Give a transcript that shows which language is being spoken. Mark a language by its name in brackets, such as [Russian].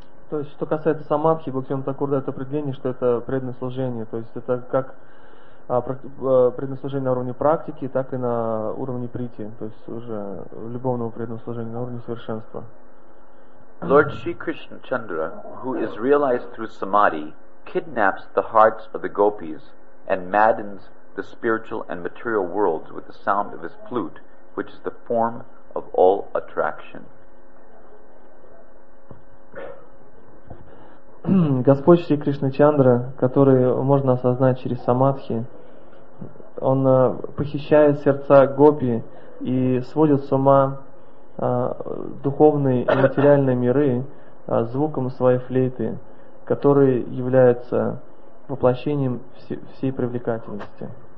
[Russian] То есть, что касается самадхи, Бхактивинода Тхакур дает определение, что это преданное служение. То есть, это как преданное служение на уровне практики, так и на уровне прити, то есть уже любовного преданного служения на уровне совершенства. [English] Lord Shri Krishna Chandra, who is realized through samadhi, kidnaps the hearts of the gopis and maddens the spiritual and material worlds with the sound of his flute, which is the form of all attraction. [Russian] Господь Шри Кришна Чандра, который можно осознать через самадхи, он похищает сердца гопи и сводит с ума духовные и материальные миры звуком своей флейты, который является воплощением всей привлекательности.